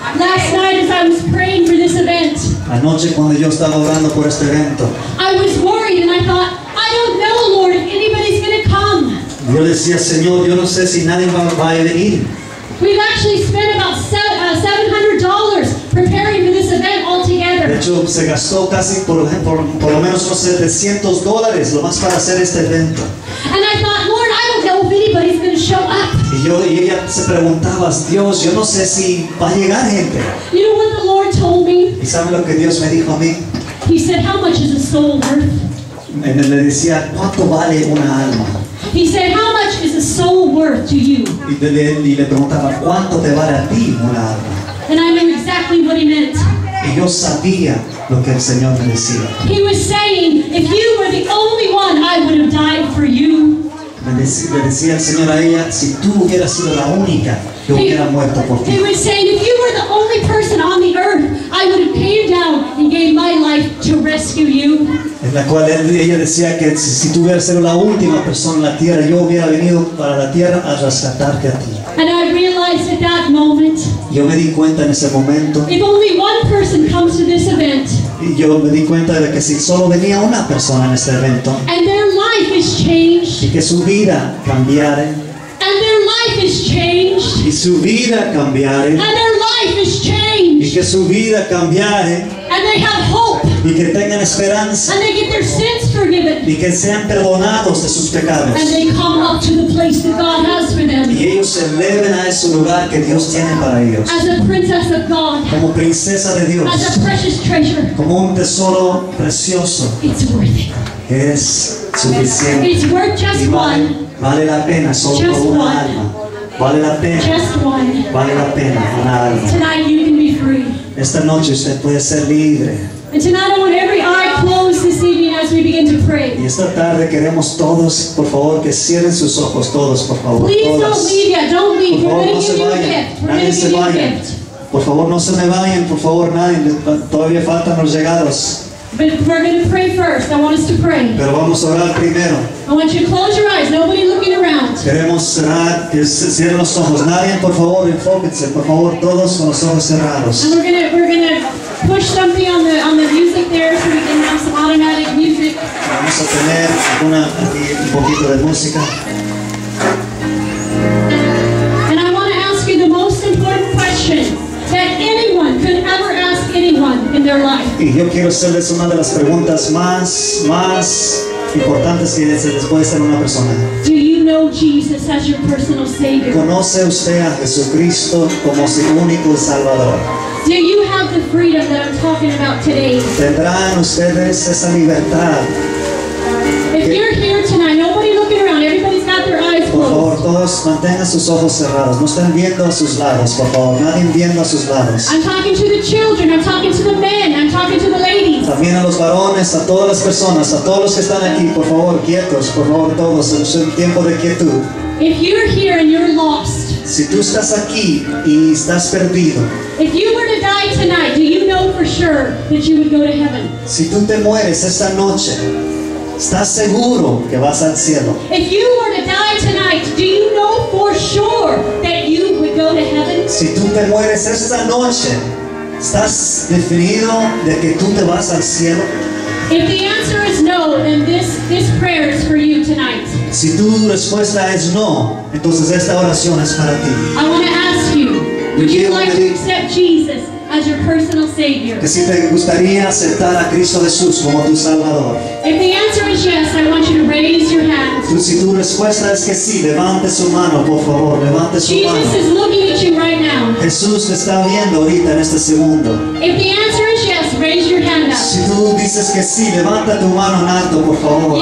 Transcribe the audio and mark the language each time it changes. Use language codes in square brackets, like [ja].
[en] Last night as I was praying for this event, [es] anoche cuando yo estaba orando por este evento, [en] I was worried and I thought, I don't know, Lord, if anybody's going to come. [es] Yo decía, Señor, yo no sé si nadie va a venir. [en] We've actually spent about $700 preparing for this event altogether. [es] De hecho, se gastó casi por lo menos unos $700 lo más para hacer este evento. [en] And I thought, Lord, I don't know if anybody's going to show up. [es] ella se preguntaba, Dios, yo no sé si va a llegar gente. [en] You know what the Lord told me? [es] ¿Y saben lo que Dios me dijo a mí? [en] He said, how much is a soul worth? [es] Le decía, ¿cuánto vale una alma? [en] He said, how much is a soul worth to you? [es] Y le preguntaba, ¿cuánto te vale a ti una alma? [en] And I knew exactly what he meant. [es] Y yo sabía lo que el Señor me decía. [en] He was saying, if you were the only one, I would have died for you. [es] Le decía el Señor a ella, si tú hubieras sido la única, yo hubiera muerto por ti. [en] He was saying, if you were the only person on the earth, I would have came down and gave my life to rescue you. [es] En la cual ella decía que si tú hubieras sido la última persona en la tierra, yo hubiera venido para la tierra a rescatarte a ti. [en] And I realized at that moment, [es] yo me di cuenta en ese momento, [en] if only one person comes to this event, [es] y yo me di cuenta de que si solo venía una persona en este evento, [en] and their life is changed, [es] y que su vida cambiara, [en] and their life is changed, [es] y su vida cambiara, [en] and their life is changed, [es] y que su vida cambiara, [en] and they have hope, [es] y que tengan esperanza, [en] and they get their sins forgiven, [es] y que sean perdonados de sus pecados, [en] and they come up to the place that God has for them, [es] y ellos se eleven a ese lugar que Dios tiene para ellos, [en] as a princess of God, [es] como princesa de Dios, [en] as a precious treasure, [es] como un tesoro precioso. [en] It's worth it. [es] Es suficiente. [en] It's worth just one. [es] Vale la pena solo [en] just [es] una [en] one. [es] Alma. Vale la pena. [en] Just one. [es] Vale la pena una alma. [en] Tonight you can be free. [es] Esta noche usted puede ser libre. [en] And tonight I want every eye closed this evening as we begin to pray. [es] Y esta tarde queremos todos, por favor, que cierren sus ojos todos, por favor. [en] Please [es] todas. [en] Don't leave yet. Don't leave. [es] Por favor, [en] we're [es] no se vayan. Nadie se vaya. Por favor, no se me vayan. Por favor, nadie. Todavía faltan los llegados. [en] But we're going to pray first. I want us to pray. [es] Pero vamos a orar primero. [en] I want you to close your eyes. Nobody looking around. [es] Queremos cerrar, que cierren los ojos. Nadie, por favor, enfóquense. Por favor, todos con los ojos cerrados. [en] And we're going to push something on the music there so we can have some automatic music. [es] Vamos a tener alguna un poquito de música. [en] And I want to ask you the most important question that anyone could ever ask anyone in their life. [es] Y yo quiero hacerles una de las preguntas más importantes que se les puede hacer a una persona. [en] Do you know Jesus as your personal Savior? [es] ¿Conoce usted a Jesucristo como su único Salvador? [en] Do you have the freedom that I'm talking about today? [es] ¿Tendrán ustedes esa libertad? [en] If you're here tonight, nobody looking around, everybody's got their eyes closed. [es] Por favor, todos mantengan sus ojos cerrados. No estén viendo a sus lados, por favor. Nadie viendo a sus lados. [en] I'm talking to the children, I'm talking to the men, I'm talking to the ladies. [es] También a los varones, a todas las personas, a todos los que están aquí, por favor, quietos, por favor, todos. Es un tiempo de quietud. [en] If you're here and you're lost, [es] si tú estás aquí y estás perdido, [en] if you were to die tonight, do you know for sure that you would go to heaven? [es] Si tú te mueres esta noche, ¿estás seguro que vas al cielo? [en] If you were to die tonight, do you know for sure that you would go to heaven? [es] Si tú te mueres esta noche, ¿estás definido de que tú te vas al cielo? [en] If the answer is no, then this prayer is for you tonight. [es] Si tu respuesta es no, entonces esta oración es para ti. [en] I want to ask you, would you like to accept Jesus as your personal Savior? [es] Que si te gustaría aceptar a Cristo Jesús como tu Salvador. [en] If the answer is yes, I want you to raise your hand. [es] Si tu respuesta es que sí, levante su mano, por favor, levante su mano. [en] Jesus is looking at you right now. [es] Jesús te está viendo ahorita en este segundo. [en] If the answer is yes, raise your hand up. [es] Si tú dices que sí, levanta tu mano en alto, por favor.